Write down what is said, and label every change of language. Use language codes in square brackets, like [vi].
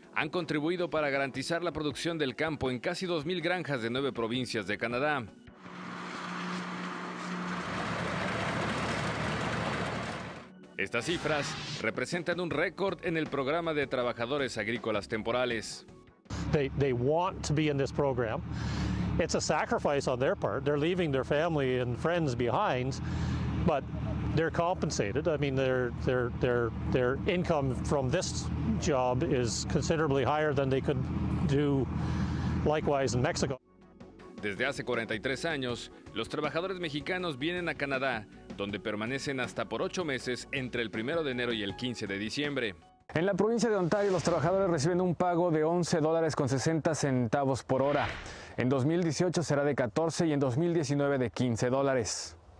[es] han contribuido para garantizar la producción del campo en casi 2.000 granjas de 9 provincias de Canadá. Estas cifras representan un récord en el programa de trabajadores agrícolas temporales. [en] They want to be in this program. It's a sacrifice on their part. They're leaving their family and friends behind, but they're compensated. I mean, their income from this job is considerably higher than they could do likewise in Mexico. [es] Desde hace 43 años, los trabajadores mexicanos vienen a Canadá, donde permanecen hasta por 8 meses entre el 1 de enero y el 15 de diciembre. En la provincia de Ontario, los trabajadores reciben un pago de $11.60 por hora. En 2018 será de 14 y en 2019 de $15.